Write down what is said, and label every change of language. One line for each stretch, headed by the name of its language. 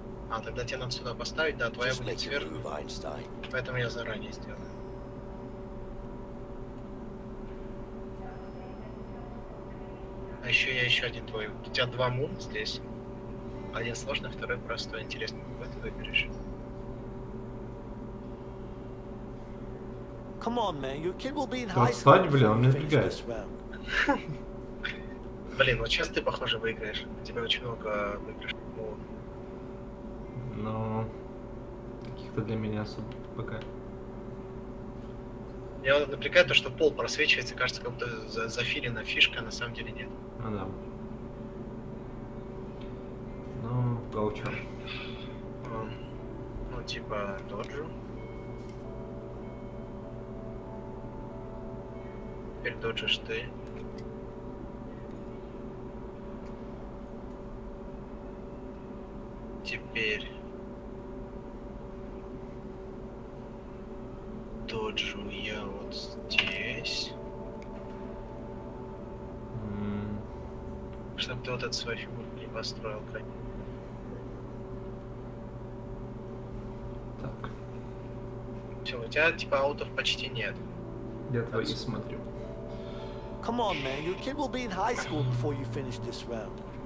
Russian: А, тогда тебе надо сюда поставить, да, твоя будет сверху. Поэтому я заранее сделаю. А еще я еще один твой. У тебя два мун здесь. Один сложный, второй простой. Интересно, какой ты выберешь.
English: Come on, man, your kid will be in high school.
Russian: Отстань, блин, он мне напрягает. Блин, вот сейчас ты, похоже, выиграешь. У тебя очень много выигрыш. Но каких-то для меня особо пока. Меня вот напрягает то, что пол просвечивается, кажется, как будто зафилена фишка, а на самом деле нет. А, да. Ну, гаучо. Ну, типа, доджу. Теперь доджишь ты. Теперь... Доджу я вот здесь. Чтоб ты вот эту свою фигуру не построил, конечно. Так. Все, у тебя типа аутов почти нет. Я твои не смотрю.
English: Come on, man, your kid will be in high school before you finish this round.